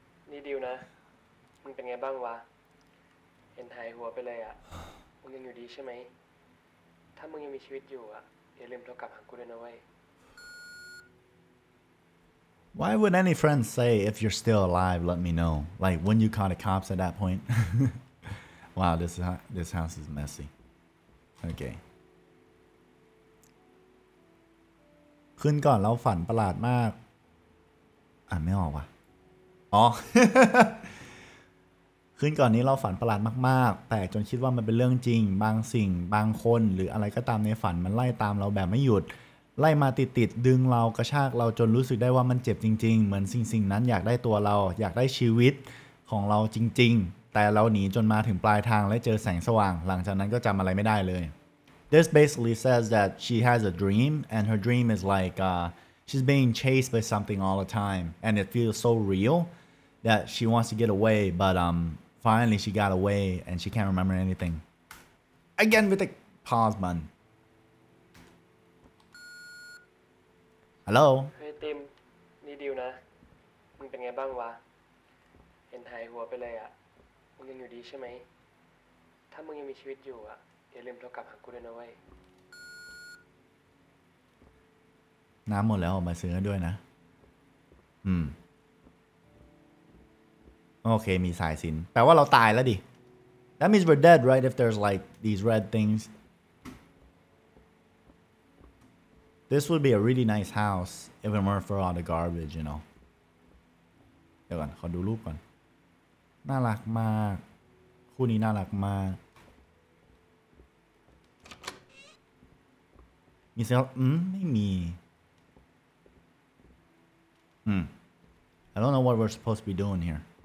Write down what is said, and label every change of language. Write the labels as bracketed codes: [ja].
[th] นี่ดิวนะมันเป็นไงบ้างวะเห็นหายหัวไปเลยอ่ะมึงยังอยู่ดีใช่ไหมถ้ามึงยังมีชีวิตอยู่อ่ะอย่าลืมโทรกลับหากูด้วยนะเว้ย [en] Why would any friend say, if you're still alive, let me know? Like, wouldn't you call the cops at that point? Wow, this house is messy. Okay. [th] ขึ้นก่อนเราฝันประหลาดมาก อ่านไม่ออกว่ะ ขึ้นก่อนนี้เราฝันประหลาดมากๆแปลกจนคิดว่ามันเป็นเรื่องจริงบางสิ่งบางคนหรืออะไรก็ตามในฝันมันไล่ตามเราแบบไม่หยุดไล่มาติดๆดึงเรากระชากเราจนรู้สึกได้ว่ามันเจ็บจริงๆเหมือนสิ่งนั้นอยากได้ตัวเราอยากได้ชีวิตของเราจริงๆแต่เราหนีจนมาถึงปลายทางและเจอแสงสว่างหลังจากนั้นก็จำอะไรไม่ได้เลย [en] This basically says that she has a dream and her dream is like she's being chased by something all the time and it feels so real that she wants to get away but finally she got away and she can't remember anything again with the pause button. Hello. [th] เฮ้ยติมนี่ดิวนะมึงเป็นไงบ้างวะเห็นหายหัวไปเลยอ่ะมึงยังอยู่ดีใช่ไหมถ้ามึงยังมีชีวิตอยู่อ่ะอย่าลืมโทรกลับหากูด้วยนะเว้ย น้ำหมดแล้วออกมาซื้อด้วยนะโอเคมีสายสินแปลว่าเราตายแล้วดิ [en] That means we're dead, right? If there's like these red things This would be a really nice house if it weren't for all the garbage, you know. [th] เดี๋ยวก่อนขอดูรูปก่อนน่ารักมากคู่นี้น่ารักมากมีเซลไม่มี [en] I don't know what we're supposed to be doing here.